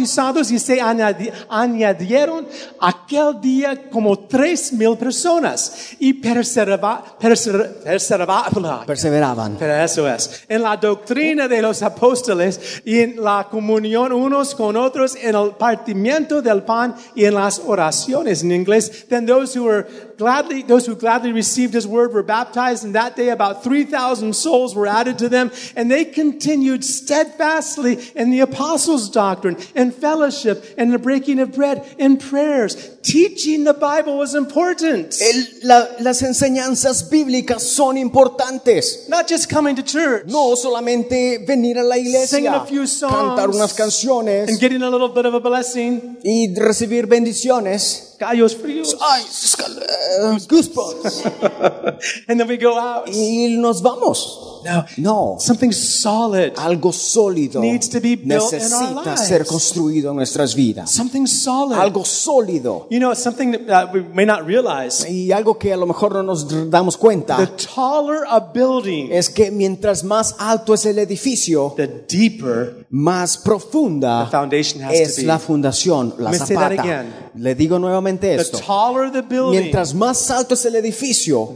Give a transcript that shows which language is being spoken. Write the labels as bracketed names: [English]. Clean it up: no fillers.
[Spanish] bautizados y se añadieron aquel día como 3,000 personas y perseveraban. Pero eso es. En la doctrina de los apóstoles y en la comunión unos con otros, en el partimiento del pan y en las oraciones. En inglés, [English] then those who gladly received his word were baptized, and that day about 3,000 souls were added to them, and they continued steadfastly in the apostles' doctrine, in fellowship, in the breaking of bread, in prayers. Teaching the Bible was important. [Spanish] Las enseñanzas bíblicas son importantes. [English] Not just coming to church. [Spanish] No solamente venir a la iglesia. [English] Singing a few songs. [Spanish] Cantar unas canciones. [English] And getting a little bit of a blessing. [Spanish] Y recibir bendiciones. Gallos fríos. [English] Ay, goosebumps. And then we go out. [Spanish] Y nos vamos. [English] No. Something solid. [Spanish] Algo sólido. [English] Needs to be built in our lives. [Spanish] Necesita ser construido en nuestras vidas. [English] Something solid. [Spanish] Algo sólido. [English] You know, something that we may not realize. [Spanish] Y algo que a lo mejor no nos damos cuenta. [English] The taller a building. [Spanish] Es que mientras más alto es el edificio. [English] The deeper. [Spanish] Más profunda. [English] The foundation has to be. [Spanish] Es la fundación, la zapata. [English] Let me say that again. [Spanish] Le digo nuevamente esto. [English] The taller the building. [Spanish] Mientras más alto es el edificio.